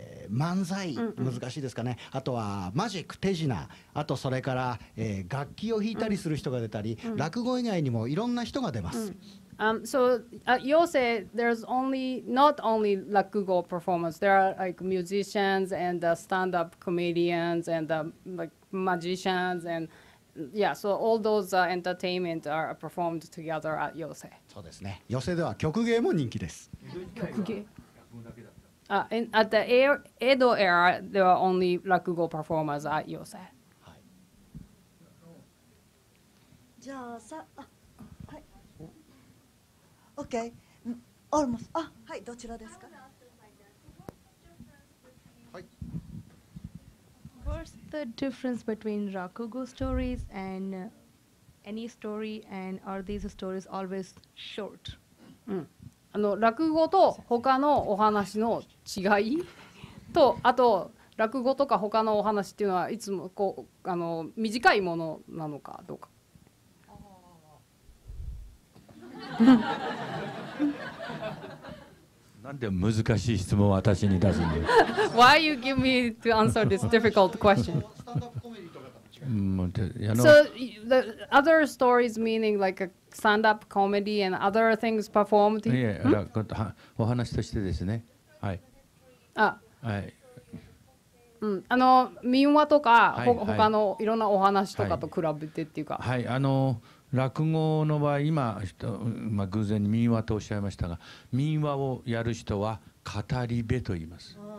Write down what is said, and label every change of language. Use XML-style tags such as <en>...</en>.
<ja>漫才、うん、難しいですかね。あとはマジック、手品、あとそれから、楽器を弾いたりする人が出たり、うん、落語以外にもいろんな人が出ます。うん、</ja> <en>So at Yose, there's only not only Rakugo performers. There are like musicians and stand-up comedians and like magicians and yeah. So all those entertainment are performed together at Yose.</en> <ja>そうですね。Yose では曲芸も人気です。曲芸。</ja> <en>At the Edo era, there are only Rakugo performers at Yose.</en> <ja>はい。じゃあさ。</ja> <en>Okay, almost.</en> <ja>あ、はい、どちらですか?</ja> <en>What's the difference between Rakugo stories and any story, and are these stories always short?</en> <ja>あの、落語と他のお話の違いと、あと落語とか他のお話っていうのはいつもこう、あの、短いものなのかどうか。なんで難しい質問を私に出すんで</ja> <en>Why you give me to answer this difficult question? So the other stories meaning like a stand-up comedy and other things performed?</en> <ja>いや、お話としてですね。はい。あ、はい。うん、あの民話とか、はい、他のいろんなお話とかと比べてっていうか。はい、あの。落語の場合今、まあ、偶然に民話とおっしゃいましたが民話をやる人は語り部と言います。</ja>